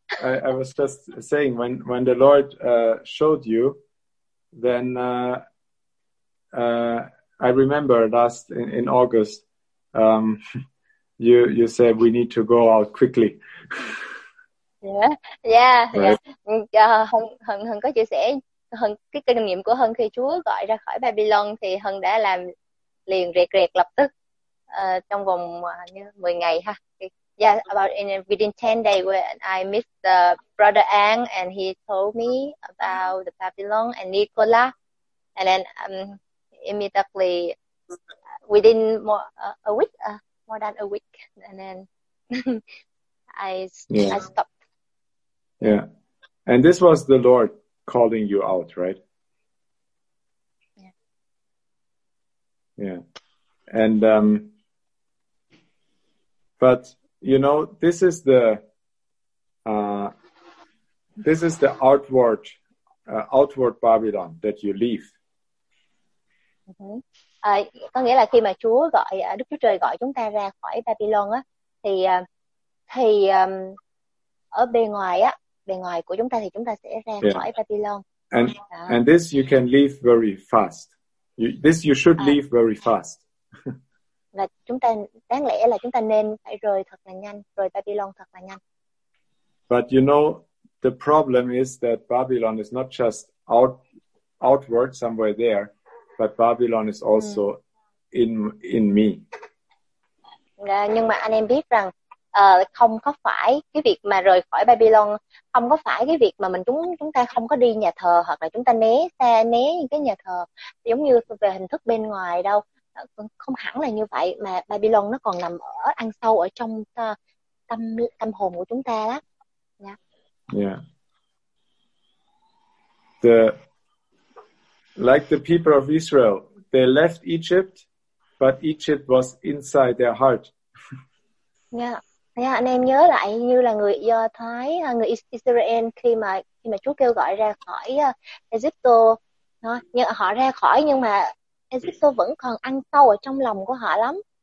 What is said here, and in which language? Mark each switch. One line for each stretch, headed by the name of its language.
English: I was just saying when the Lord showed you, then I remember last in August, you said we need to go out quickly.
Vietnamese: Hân có chia sẻ Hân cái kinh nghiệm của Hân khi Chúa gọi ra khỏi Babylon thì Hân đã làm liền rệt lập tức. Trong vòng 10 ngày ha.
English: Yeah, within 10 days when I met the brother Ang and he told me about the Babylon and Nicola, and then immediately within more than a week and then I stopped. Yeah. And this was the Lord calling you out, right? Yeah. And but you know, this is the outward Babylon that you leave. Uh-huh.
Vietnamese: Có nghĩa là khi mà Chúa gọi, Đức Chúa Trời gọi chúng ta ra khỏi Babylon á, thì ở bề ngoài của chúng ta thì chúng ta sẽ ra khỏi Babylon.
English: And this you can leave very fast. You should leave very fast.
Vietnamese: Là chúng ta đáng lẽ là chúng ta nên phải rời thật là nhanh, rời Babylon thật là nhanh.
English: But you know, the problem is that Babylon is not just outward somewhere there, but Babylon is also in me.
Vietnamese: Nhưng mà anh em biết rằng không có phải cái việc mà rời khỏi Babylon, không có phải cái việc mà chúng ta không có đi nhà thờ hoặc là chúng ta né cái nhà thờ giống như về hình thức bên ngoài đâu. Không hẳn là như vậy, mà Babylon nó còn nằm ở ăn sâu ở trong tâm hồn của chúng ta đó.
English: Like the people of Israel, they left Egypt, but Egypt was inside their heart.
Vietnamese: Anh em nhớ lại như là người Do Thái, người Israel khi mà Chúa kêu gọi ra khỏi Egypto, họ ra khỏi nhưng mà Egypto vẫn còn ăn sâu ở trong lòng của họ lắm.